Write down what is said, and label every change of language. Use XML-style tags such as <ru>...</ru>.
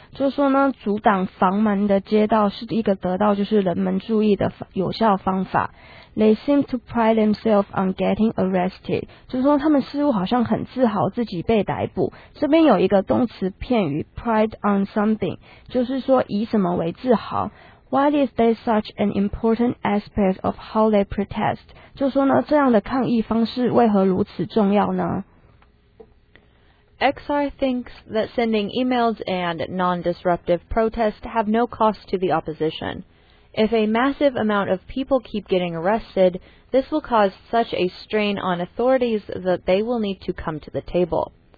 <zh>就是说呢, 阻挡房门的街道是一个得到就是人们注意的有效方法。</zh> <en>They seem to pride themselves on getting arrested.</en> <zh>就是说他们似乎好像很自豪自己被逮捕。这边有一个动词片语,</zh> <en>pride on something.</en> <zh>就是说以什么为自豪。</zh> <en>Why is there such an important aspect of how they protest?</en> <zh>就说呢,这样的抗议方式为何如此重要呢?</zh> <en>XR thinks that sending emails and non-disruptive protest have no cost to the opposition. If a massive amount of people keep getting arrested, this will cause such a strain on authorities that they will need to come to the table.</en>